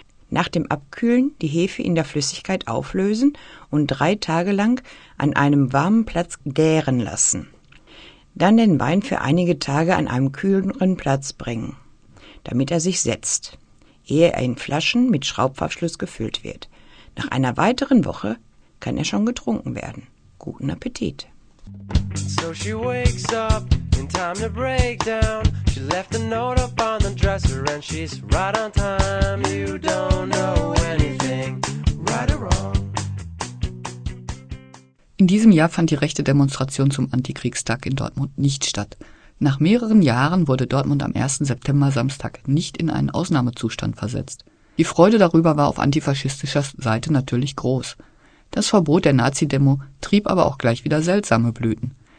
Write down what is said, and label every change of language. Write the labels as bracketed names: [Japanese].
[German] Nach dem Abkühlen die Hefe in der Flüssigkeit auflösen und 3 Tage lang an einem warmen Platz gären lassen. Dann den Wein für einige Tage an einem kühleren Platz bringen, damit er sich setzt, ehe er in Flaschen mit Schraubverschluss gefüllt wird. Nach einer weiteren Woche kann er schon getrunken werden. Guten Appetit! [English] So she wakes up in time to break down. She left a note up on the dresser and she's right on time. You don't know anything, right or wrong. [German] In diesem Jahr fand die rechte Demonstration zum Antikriegstag in Dortmund nicht statt. Nach mehreren Jahren wurde Dortmund am 1. September Samstag nicht in einen Ausnahmezustand versetzt. Die Freude darüber war auf antifaschistischer Seite natürlich groß. Das Verbot der Nazi-Demo trieb aber auch gleich wieder seltsame Blüten.